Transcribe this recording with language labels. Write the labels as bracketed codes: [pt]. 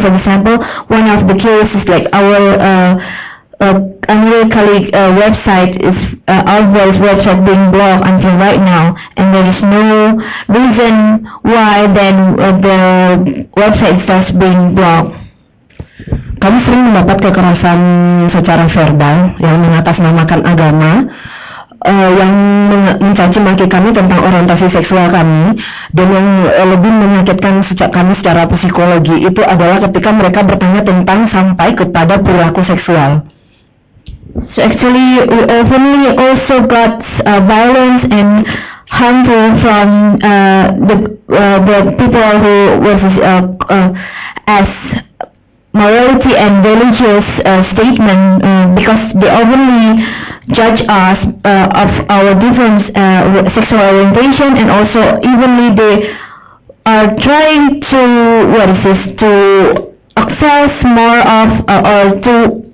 [en] For example, one of the cases like our. Another colleague website is Alvarez website being blocked until right now, and there is no reason why then the website starts being blocked. [id] Kami sering mendapat kekerasan secara verbal yang mengatasnamakan agama, yang mencaci maki kami tentang orientasi seksual kami, dan yang lebih menyakitkan sejak kami secara psikologi itu adalah ketika mereka bertanya tentang sampai kepada perilaku seksual. [en] So actually, we openly also got violence and harmful from the people who was as morality and religious statement because they openly judge us of our different sexual orientation, and also evenly they are trying to to access more of or to.